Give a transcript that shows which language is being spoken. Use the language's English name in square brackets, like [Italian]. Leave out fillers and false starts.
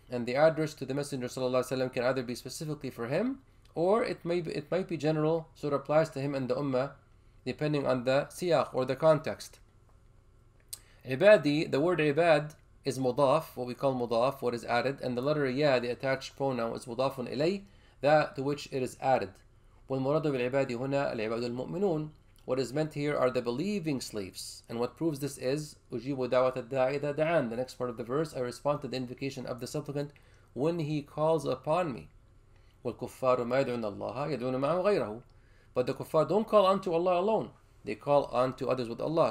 [English] And the address to the Messenger sallallahu alayhi wa sallam can either be specifically for him, or it might be general, so it applies to him and the ummah, depending on the siyaq or the context. Ibadi, the word ibad is mudaf, what we call mudaf, what is added, and the letter ya, the attached pronoun, is mudafun ilay, that to which it is added. [Arabic] والمراد بالعباد هنا العباد المؤمنون. [English] What is meant here are the believing slaves. And what proves this is, أُجِيبُ دَعْوَةَ الدَّاعِ إِذَا دَعَانِ. The next part of the verse, I respond to the invocation of the supplicant when he calls upon me. [Arabic] وَالْكُفَّارُ مَا يَدْعُونَ اللَّهَ يَدْعُونَ مَعَهُ غَيْرَهُ. [English] But the kuffar don't call unto Allah alone. They call unto others with Allah.